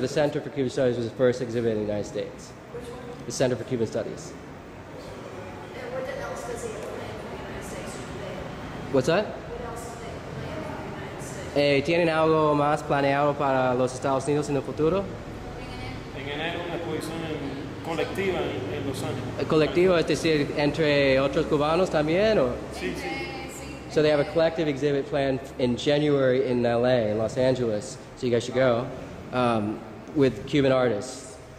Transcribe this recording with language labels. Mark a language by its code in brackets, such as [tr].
[en] the Center for Cuban Studies was the first exhibit in the United States. Which one? The Center for Cuban Studies. And what else does he plan for the United States today? What's that? What else does he plan for the United States? [es] ¿Tienen algo más planeado para los Estados Unidos en el futuro? En enero una exposición colectiva en Los Ángeles. ¿Colectiva, es decir, entre otros cubanos también? O? Sí, sí. [en] So they have a collective exhibit planned in January in LA, in Los Angeles, so you guys should go, with Cuban artists.